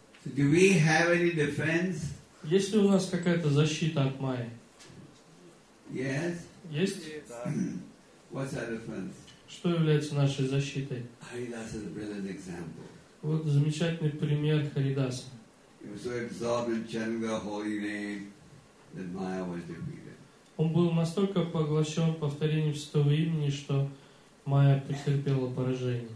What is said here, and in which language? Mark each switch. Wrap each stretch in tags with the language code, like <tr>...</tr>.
<en>So do we have any defense?</en> <ru>Есть ли у нас какая-то защита от Майи?</ru> <en>Yes.</en> <ru>Есть? Yeah.</ru> <en>What's our defense?</en> <ru>Что является нашей защитой?</ru> <en>Haridasa is a brilliant example.</en> <ru>Вот замечательный пример Харидаса.</ru> <en>He was so absorbed in chanting the holy name that Maya was defeated.</en> <ru>Он был настолько поглощен повторением святого имени, что Майя потерпела поражение.</ru>